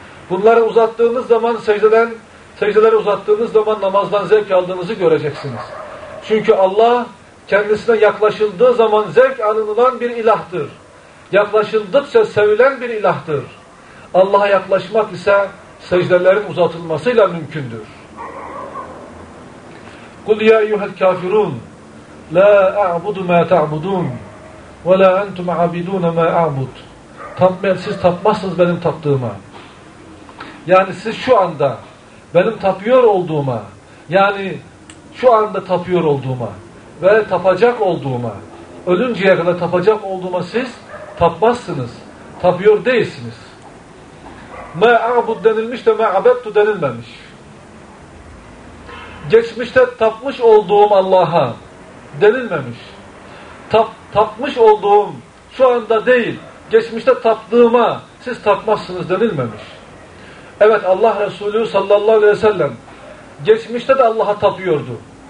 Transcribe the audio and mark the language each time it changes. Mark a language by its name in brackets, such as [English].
[Turkish] Bunları uzattığınız zaman, secdeleri uzattığınız zaman namazdan zevk aldığınızı göreceksiniz. Çünkü Allah kendisine yaklaşıldığı zaman zevk alınılan bir ilahtır. Yaklaşıldıkça sevilen bir ilahtır. Allah'a yaklaşmak ise secdelerin uzatılmasıyla mümkündür. [Arabic] قُلْ يَا اَيُّهَا الْكَافِرُونَ لَا اَعْبُدُ مَا تَعْبُدُونَ وَلَا اَنْتُمْ عَبِدُونَ مَا اَعْبُدُ [Turkish] Siz tapmazsınız benim taptığıma. Yani siz şu anda benim tapıyor olduğuma, yani şu anda tapıyor olduğuma ve tapacak olduğuma, ölünceye kadar tapacak olduğuma siz tapmazsınız. Tapıyor değilsiniz. [Arabic] مَا اَعْبُدُ [Turkish] denilmiş de [Arabic] مَا عَبَدْتُ [Turkish] denilmemiş. Geçmişte tapmış olduğum Allah'a denilmemiş. Tapmış olduğum şu anda değil, geçmişte taptığıma siz tapmazsınız denilmemiş. Evet, Allah Resulü sallallahu aleyhi ve sellem geçmişte de Allah'a tapıyordu.